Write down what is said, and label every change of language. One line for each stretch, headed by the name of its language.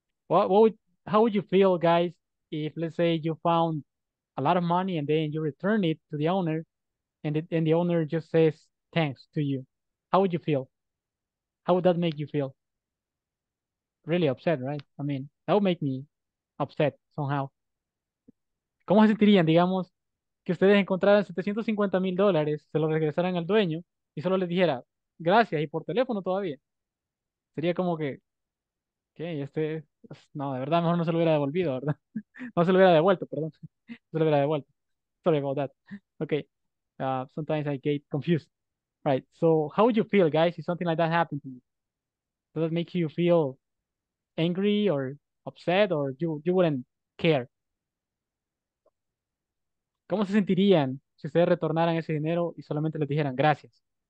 English: How would you feel, guys, if let's say you found a lot of money and then you return it to the owner, and the owner just says thanks to you? How would you feel? How would that make you feel? Really upset, right? I mean, that would make me upset somehow.
Spanish: ¿Cómo se sentirían, digamos, que ustedes encontraran 750 mil dólares, se lo regresaran al dueño y solo les dijera gracias y por teléfono todavía? Sería como que, ok, este, no, de verdad, mejor no se lo hubiera devolvido, ¿verdad? No se lo hubiera devuelto, perdón. No se lo hubiera devuelto.
English: Sorry about that. Ok, sometimes I get confused. Right, so how would you feel, guys, if something like that happened to you? Does it make you feel angry or upset, or you wouldn't care?
Spanish: ¿Cómo se sentirían si ustedes retornaran ese dinero y solamente les dijeran gracias?